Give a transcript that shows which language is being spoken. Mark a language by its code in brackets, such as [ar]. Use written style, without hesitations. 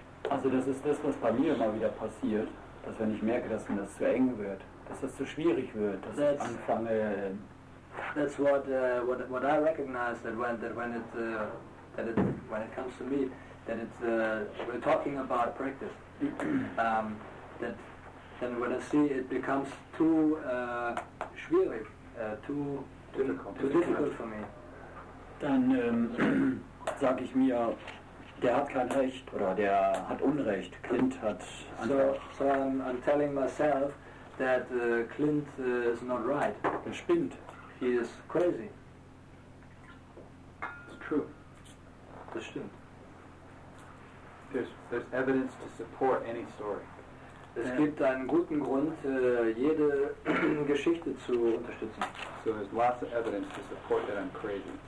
[de] Also das ist das, was bei mir immer wieder passiert, dass wenn ich merke, dass mir das zu eng wird, dass das zu schwierig wird, dass ich anfange. [en] That's what I recognize that when it comes to me, that it's we're talking about practice. That then when I see it becomes too schwierig, too difficult for me. [de] Dann sage ich mir, der hat kein Recht oder der hat Unrecht. Clint hat einfach. [en] So I'm telling myself that Clint is not right. [de] Er spinnt. [en] He is crazy. It's true. [de] Das stimmt. [en] There's evidence to support any story. [de] Es gibt einen guten Grund, jede Geschichte zu unterstützen. [en] So there's lots of evidence to support that I'm crazy.